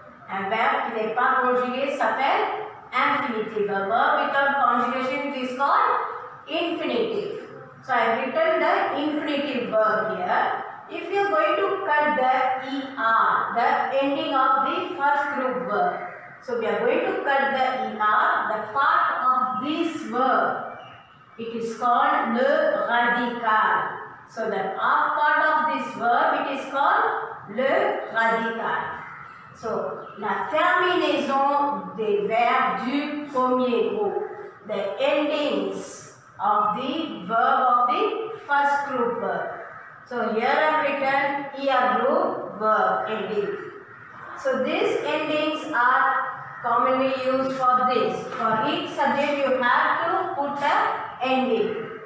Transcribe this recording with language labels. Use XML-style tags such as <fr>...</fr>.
<fr>Un verbe qui n'est pas conjugué s'appelle infinitive.</fr> <en>A verb without conjugation is called infinitive. So I have written the infinitive verb here. If you are going to cut the er, the ending of the first group verb. So we are going to cut the er, the part of this verb. It is called le radical. So the off part of this verb, it is called le radical.</en> <fr>So la terminaison des verbes du premier groupe.</fr> <en>The endings of the verb of the first group verb. So here I have written er group verb ending. So these endings are commonly used for this. For each subject you have to put an ending.</en>